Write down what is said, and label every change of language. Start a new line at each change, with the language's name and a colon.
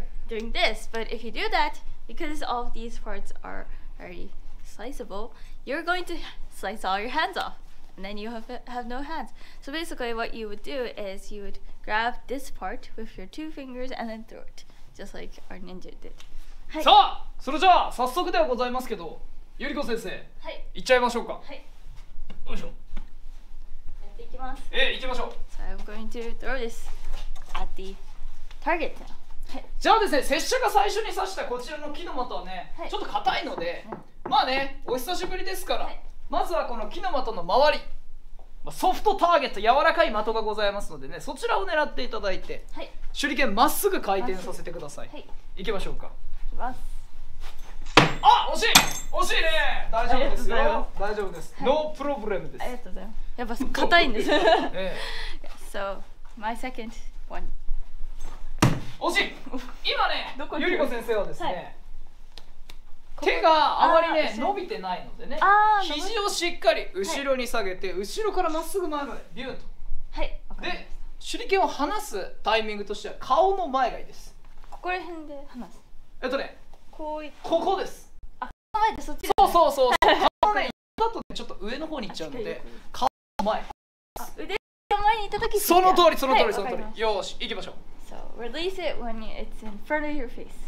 English: Because all of these parts are very sliceable, you're going to slice all your hands off, and then you have no hands. So basically, what you would do is you would grab this part with your two fingers and then throw it, just like our ninja did.
Japanese: はい。さあ、それじゃあ早速ではございますけど、ゆり子先生、はい、行っちゃいましょうか。はい。よいしょ。やっていきます。ええ、行きましょう。
English: So I'm going to throw this at the target now.
Japanese: じゃあですね、拙者が最初に刺したこちらの木の的はね、はい、ちょっと硬いので、まあね、お久しぶりですから、はい、まずはこの木の的の周り、ソフトターゲット、柔らかい的がございますのでね、そちらを狙っていただいて、はい、手裏剣まっすぐ回転させてください。はい、行きましょうか。行きます。あ、惜しい、惜しいね。大丈夫ですよ、大丈夫です、はい、ノープロブレムです。ありがとうございます。やっぱ硬いんです、ね。
English: So, my second one.
Japanese: 惜しい。今ね、ゆり子先生はですね、はい、手があまりね、伸びてないのでね、肘をしっかり後ろに下げて、はい、後ろからまっすぐ前までビューンと、はい、で、手裏剣を離すタイミングとしては顔の前がいいです。ここら辺で離す、ね、こういっここです。あ、顔の前ってそっちだね。そうそうそう、顔のね、だとね、ちょっと上の方に行っちゃうので、顔の前、あ、腕を前に行った時、その通り、その通り、その通り、よし、行きましょう。
English: So, release it when it's in front of your face.